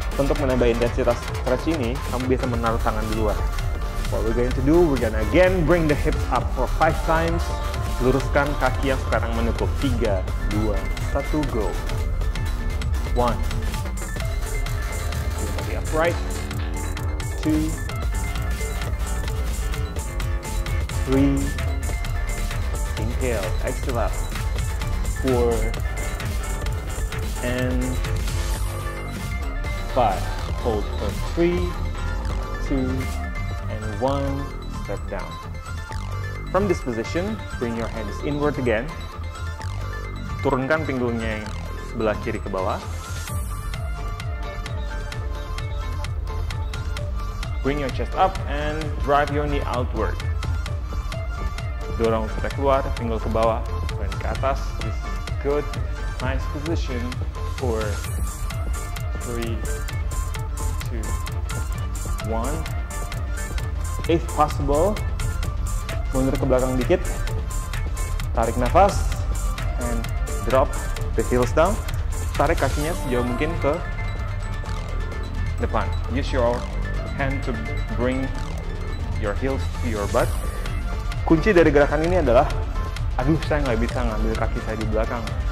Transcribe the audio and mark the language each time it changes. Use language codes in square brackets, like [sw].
[id] Untuk menambah intensitas stretch ini, kamu bisa menaruh tangan di luar. [en] What we're going to do, we're gonna again bring the hips up for 5 times. [id] Luruskan kaki yang sekarang menutup. 3, 2, 1, go. 1. [en] Body upright. 2. 3. Inhale, exhale out. 4. And 5. Hold for 3, 2, and 1. Step down. From this position, bring your hands inward again. [id] Turunkan pinggulnya yang sebelah kiri ke bawah. [en] Bring your chest up and drive your knee outward. [id] Dorong sampai keluar, pinggul ke bawah, dan ke atas. [en] This is good. Nice position. 4, 3, 2, 1. If possible, [id] mundur ke belakang dikit, tarik nafas, [en] and drop the heels down, [id] tarik kakinya sejauh mungkin ke depan. [en] Use your hand to bring your heels to your butt. [id] Kunci dari gerakan ini adalah, aduh saya nggak bisa ngambil kaki saya di belakang.